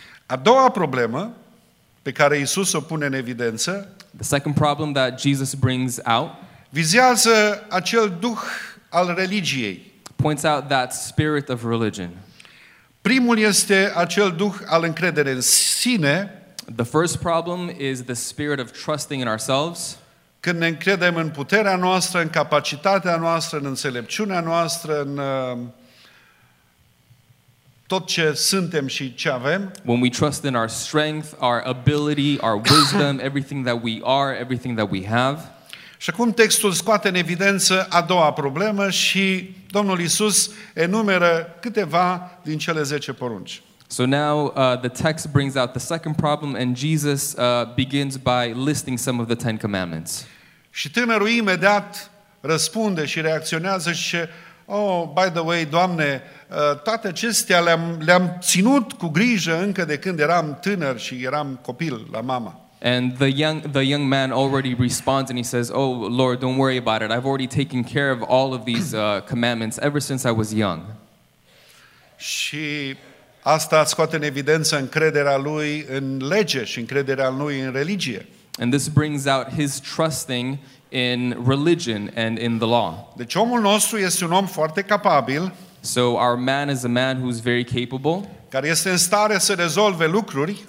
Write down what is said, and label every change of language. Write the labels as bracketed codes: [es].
[ro] A doua problemă pe care Iisus o pune în evidență. [en] The second problem that Jesus brings out. [ro] Vizează acel duh al religiei. [en] Points out that spirit of religion. [ro] Primul este acel duh al încrederii în sine. [en] The first problem is the spirit of trusting in ourselves. [ro] Când ne încredem în puterea noastră, în capacitatea noastră, în înțelepciunea noastră, în tot ce suntem și ce avem. [en] When we trust in our strength, our ability, our wisdom, everything that we are, everything that we have. [ro] Și acum textul scoate în evidență a doua problemă și Domnul Iisus enumeră câteva din cele 10 porunci. [en] So now the text brings out the second problem and Jesus begins by listing some of the Ten Commandments. [ro] Și tânărul imediat răspunde și reacționează și zice, [en] oh, by the way, [ro] Doamne, toate acestea le-am ținut cu grijă încă de când eram tânăr și eram copil la mama. [en] And the young man already responds and he says, oh, Lord, don't worry about it. I've already taken care of all of these commandments ever since I was young. [ro] Și asta scoate în evidență încrederea lui în lege și încrederea lui în religie. [en] And this brings out his trusting in religion and in the law. [ro] Deci omul nostru este un om foarte capabil. [en] So our man is a man who's very capable. [ro] Care este în stare să rezolve lucruri.